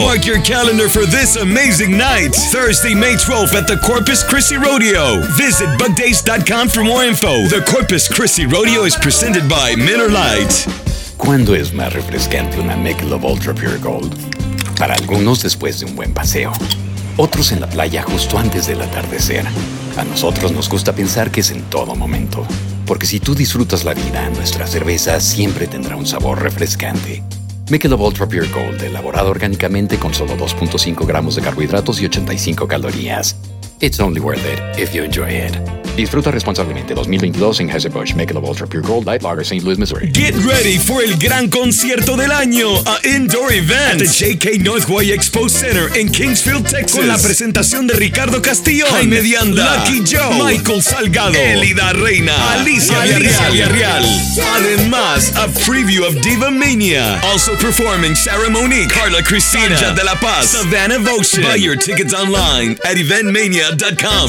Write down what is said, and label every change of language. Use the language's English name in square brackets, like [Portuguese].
[English] Mark your calendar for this amazing night, Thursday, May 12th at the Corpus Christi Rodeo. Visit BuckDays.com for more info. The Corpus Christi Rodeo is presented by Miller Lite. [Spanish] ¿Cuándo es más refrescante una Michelob Ultra Pure Gold? Para algunos después de un buen paseo, otros en la playa justo antes del atardecer. A nosotros nos gusta pensar que es en todo momento, porque si tú disfrutas la vida, nuestra cerveza siempre tendrá un sabor refrescante. Michelob Ultra Pure Gold, elaborado orgánicamente con solo 2.5 gramos de carbohidratos y 85 calorías. [English] It's only worth it if you enjoy it. [Spanish] Disfruta responsablemente 2022 en Anheuser-Busch Michelob Ultra Pure Gold Light Lager, St. Louis, Missouri. [English] Get ready for [Spanish] el gran concierto del año, [English] a indoor event at the J.K. [Spanish] Northway Expo Center in Kingsfield, Texas, con la presentación de Ricardo Castillo, Jaime Dianda, Lucky Joe, Michael Salgado, Elida Reina, Alicia Villarreal. Además, [English] a preview of Diva Mania. Also performing Sarah Monique, Carla Cristina, Sanja de la Paz, Savannah Voce. Buy your tickets online at eventmania.com.